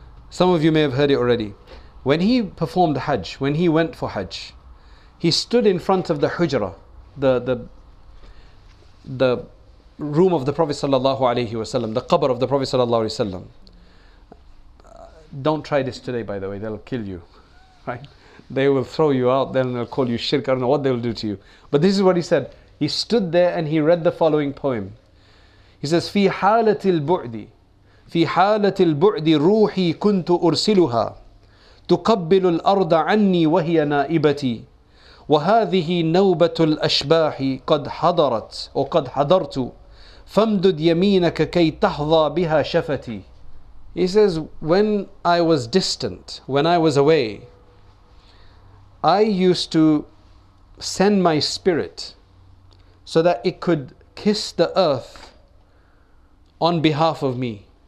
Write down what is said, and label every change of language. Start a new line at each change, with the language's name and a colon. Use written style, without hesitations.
English: Some of you may have heard it already. When he performed Hajj, when he went for Hajj, he stood in front of the Hujra, the room of the Prophet sallallahu alaihi wasallam, the qabr of the Prophet sallallahu alaihi wasallam. Don't try this today, by the way, they'll kill you, right? They will throw you out, then they'll call you shirk, I don't know what they'll do to you. But this is what he said. He stood there and he read the following poem. He says,
Arabic: في حالة البعد في حالة البعد روحي كنت أرسلها تقبل الأرض عني وهي نائبتي وهذه نوبة الأشباح قد حضرت وقد حضرت فامدد يمينك كي تحظى بها شفتي.
English: He says, when I was distant, when I was away, I used to send my spirit so that it could kiss the earth on behalf of me.